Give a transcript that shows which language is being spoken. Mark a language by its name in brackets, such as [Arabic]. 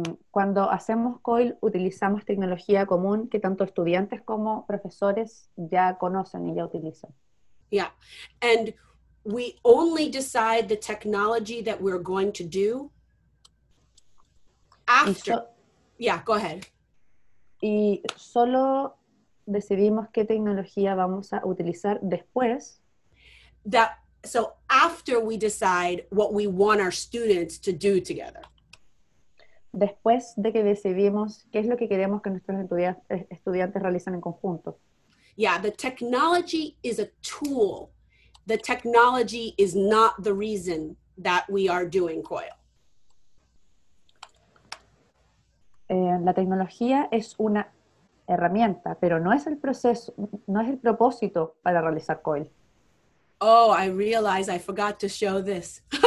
[Spanish] Cuando hacemos COIL, utilizamos tecnología común que tanto estudiantes como profesores ya conocen y ya utilizan. [English] Yeah, and we only decide the technology that we're going to do after. Yeah, go ahead. [Spanish] Y solo decidimos qué tecnología vamos a utilizar después. [English] That, so after we decide what we want our students to do together. [Spanish] Después de que decidimos qué es lo que queremos que nuestros estudiantes realicen en conjunto. [English] Yeah, the technology is a tool. The technology is not the reason that we are doing COIL. [Spanish] La tecnología es una herramienta, pero no es el proceso, no es el propósito para realizar COIL. [English] Oh, I realize I forgot to show this.